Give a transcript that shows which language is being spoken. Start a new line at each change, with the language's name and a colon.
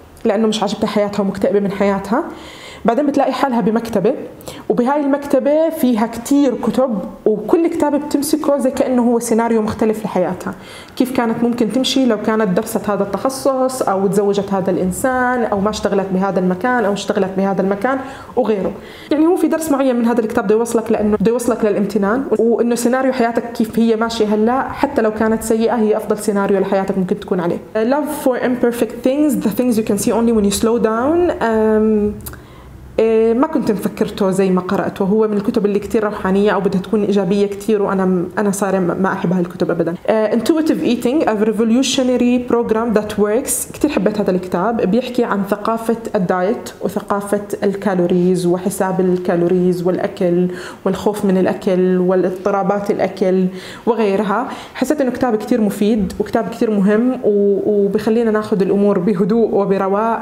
Arabic: لأنه مش عاجبتها حياتها ومكتئبة من حياتها. بعدين بتلاقي حالها بمكتبة، وبهاي المكتبة فيها كتير كتب، وكل كتاب بتمسكه زي كأنه هو سيناريو مختلف لحياتها، كيف كانت ممكن تمشي لو كانت درست هذا التخصص أو تزوجت هذا الإنسان أو ما اشتغلت بهذا المكان أو اشتغلت بهذا المكان وغيره. يعني هو في درس معين من هذا الكتاب بيوصلك، لأنه بيوصلك للامتنان، وأنه سيناريو حياتك كيف هي ماشية هلأ حتى لو كانت سيئة هي أفضل سيناريو لحياتك ممكن تكون عليه.
English: Love for imperfect things, the things you can see only when you slow down.
Arabic: ما كنت مفكرته زي ما قرأته، هو من الكتب اللي كتير روحانية أو بدها تكون إيجابية كتير، وأنا صار ما أحب هالكتب أبدا.
English: Intuitive Eating, a revolutionary program that works.
Arabic: كتير حبيت هذا الكتاب، بيحكي عن ثقافة الدايت وثقافة الكالوريز وحساب الكالوريز والأكل والخوف من الأكل والاضطرابات الأكل وغيرها. حسيت أنه كتاب كتير مفيد وكتاب كتير مهم، وبيخلينا ناخد الأمور بهدوء وبرواء.